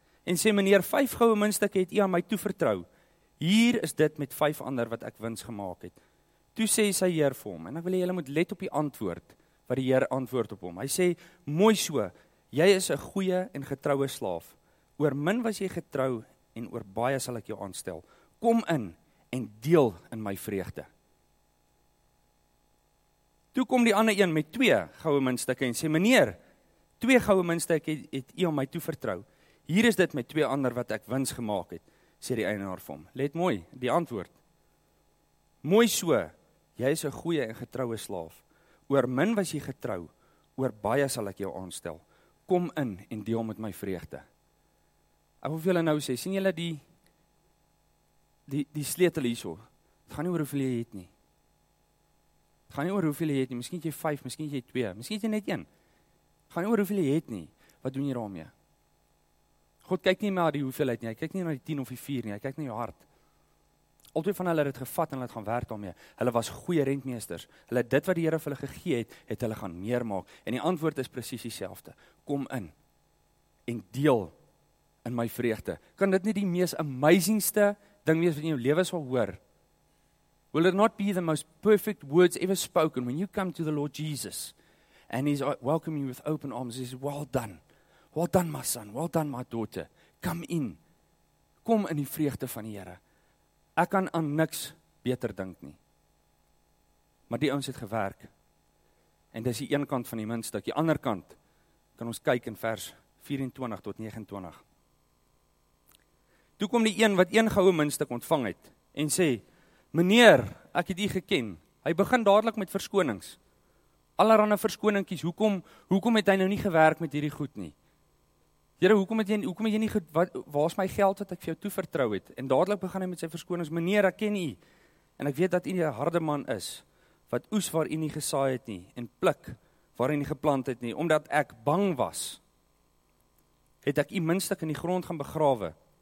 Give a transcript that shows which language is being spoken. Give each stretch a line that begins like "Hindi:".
Afrikaans: En sê, meneer, 5 goue muntstukke het u aan my toevertrou. Hier is dit met 5 ander wat ek wins gemaak het. Toe sê sy Heer vir hom, en ek wil jy moet let op die antwoord, wat die Heer antwoord op hom. Hy sê, mooi so, jy is 'n goeie en getroue slaaf. Oor min was jy getrou, en oor baie sal ek jou aanstel. Kom in, en deel in my vreugde. Toe kom die ander een met 2 goue muntstukke en sê, meneer, 2 goue muntstukke het u aan my toevertrou. Hier is dit met 2 ander wat ek wins gemaak het, sê die eienaar vir hom. Let mooi, die antwoord. Mooi so, jy is 'n goeie en getroue slaaf. Oor min was jy getrou, oor baie sal ek jou aanstel. Kom in en deel met my vreugde. Ek wil vir julle nou sê, sien julle die sleutel hierso? Het gaan nie oor hoeveel jy het nie. Het gaan nie oor hoeveel jy het nie. Miskien het jy 5, miskien het jy 2, miskien het jy net 1. Het gaan nie oor hoeveel jy het nie. Wat doen jy daarmee? God kyk nie maar die hoeveelheid nie, hy kyk nie na die 10 of die 4 nie, hy kyk na jou hart. Altwee van hulle het gevat en hulle het gaan werk daarmee. Hulle was goeie rentmeesters. Hulle dit wat die Here vir hulle gegee het, het hulle gaan meer maak. En die antwoord is presies dieselfde. Kom in en deel in my vreugde. Kan dit nie die mees amazingste ding wees wat in jou lewe sal hoor?
English: Will it not be the most perfect words ever spoken when you come to the Lord Jesus and he's welcoming you with open arms? He says, well done. Well done, my son. Well done, my daughter. Come in.
Afrikaans: Kom in die vreugde van die Here. Ek kan aan niks beter dink nie. Maar die ouens het gewerk. En dis die een kant van die muntstuk. Die ander kant kan ons kyk in vers 24 tot 29. Toe kom die een wat 1 goue muntstuk ontvang het en sê, meneer, ek het u geken. Hy begin dadelijk met verskonings. Allerhande verskoninkies. Hoekom het hy nou nie gewerk met hierdie goed nie? Here, hoekom het jy nie, waar is my geld wat ek vir jou toevertrou het? En dadelijk begin hy met sy verskonings. Meneer, ek ken u. En ek weet dat u 'n harde man is, wat oes waar u nie gesaai het nie, en pluk waar u nie geplant het nie. Omdat ek bang was, het ek u muntstuk in die grond gaan begrawe.